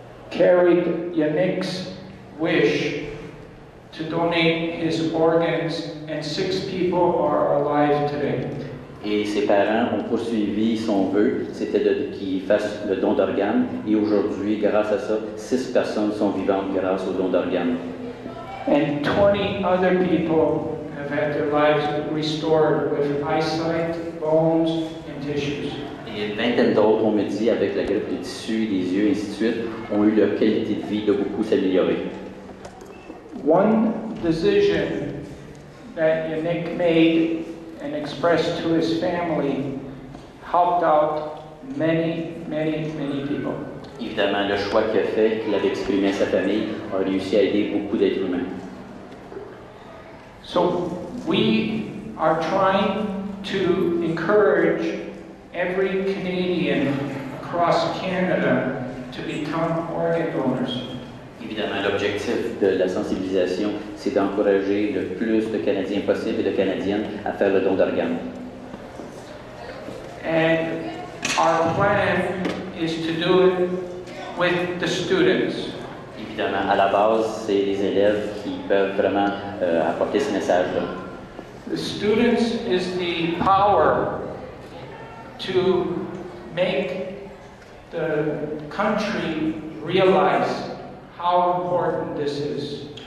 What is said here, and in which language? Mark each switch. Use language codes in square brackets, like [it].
[en] carried Yannick's wish to donate his organs, and 6 people are alive today. [fr] Et ses parents ont poursuivi son vœu, c'était qu'il fasse le don d'organes, et aujourd'hui, grâce à ça, 6 personnes sont vivantes grâce au don d'organes. [en] And 20 other people have had their lives restored with eyesight, bones, and tissues. [fr] Et une vingtaine d'autres, on me dit, avec la grippe des tissus, des yeux, ainsi de suite, ont eu leur qualité de vie de beaucoup s'améliorer. [en] One decision that Yannick made and expressed to his family helped out many, many, many people. [fr] Évidemment, le choix qu'il a fait, qu'il avait exprimé à sa famille, a réussi à aider beaucoup d'êtres humains. [en] So, we are trying to encourage every Canadian across Canada to become organ donors. [fr] Évidemment, l'objectif de la sensibilisation, c'est d'encourager le plus de Canadiens possible et de Canadiennes à faire le don d'organes. [en] And our plan is to do it with the students. [fr] Évidemment, à la base, c'est les élèves qui peuvent vraiment apporter ce message-là. [en] The students is the power to make the country realize how important this is.